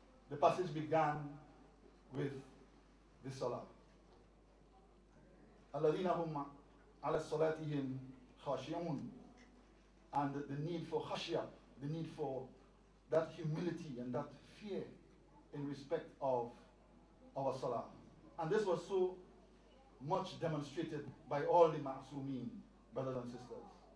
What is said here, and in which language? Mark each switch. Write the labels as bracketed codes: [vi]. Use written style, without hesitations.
[en] The passage began with the salah. [ar] الذين هم على صلاتهم خاشعون. [en] And the need for khashya, the need for that humility and that fear in respect of our salah. And this was so much demonstrated by all the ma'sumeen, brothers and sisters.